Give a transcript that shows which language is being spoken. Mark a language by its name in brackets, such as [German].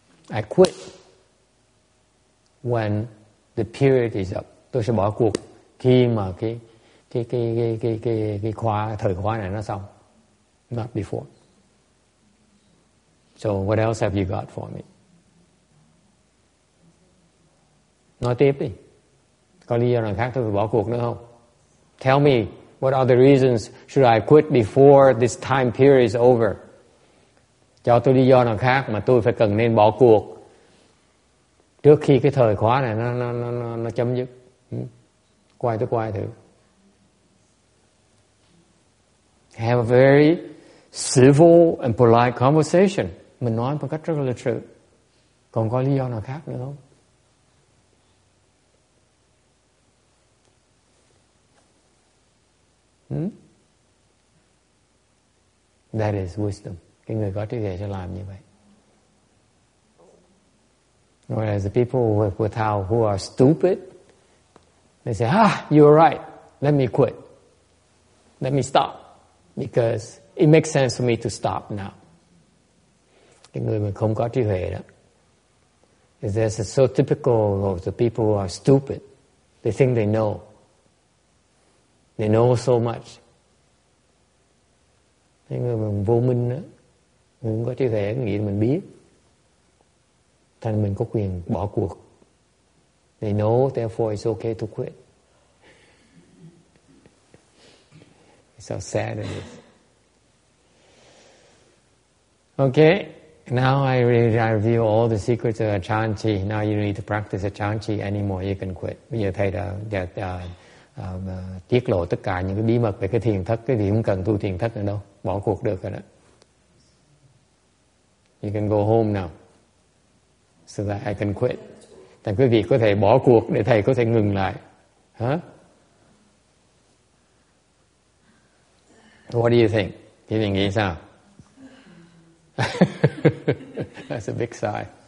[English] I quit when the period is up. [Vietnamese] Tôi sẽ bỏ cuộc khi mà cái khóa, thời khóa này nó xong. [English] Not before. So what else have you got for me? [Vietnamese] Nói tiếp đi. Có lý do nào khác tôi phải bỏ cuộc nữa không? [English] Tell me, what are the reasons should I quit before this time period is over? [Vietnamese] Cho tôi lý do nào khác mà tôi phải cần nên bỏ cuộc trước khi cái thời khóa này nó chấm dứt. Quay tôi quay thử. [English] Have a very civil and polite conversation. [Vietnamese] Mình nói một cách rất là lịch sự. Còn có lý do nào khác nữa không? [English] That is wisdom. [Vietnamese] Cái người có trí tuệ sẽ làm như vậy. [English] Whereas the people who are stupid, they say, ah, you're right. Let me quit. Let me stop. Because it makes sense for me to stop now. [Vietnamese] Cái người mà không có trí tuệ đó. [English] This is so typical of the people who are stupid. They think they know. They know so much. [Vietnamese] Những người mà vô minh á, không có trí tuệ, nghĩ mình biết. Thành mình có quyền bỏ cuộc. [English] They know, therefore it's okay to quit. It's how sad it is. Okay, now I review all the secrets of Achanti. Now you don't need to practice Achanti anymore, you can quit. [Vietnamese] Bây giờ thầy đã tiết lộ tất cả những cái bí mật về cái thiền thất, cái gì cũng cần tu thiền thất nữa đâu, bỏ cuộc được rồi đó. [English] You can go home now so that I can quit. [Vietnamese] Thầy quý vị có thể bỏ cuộc để thầy có thể ngừng lại. Huh? [English] What do you think? [Vietnamese] Thì mình nghĩ sao? [English] That's a big sigh.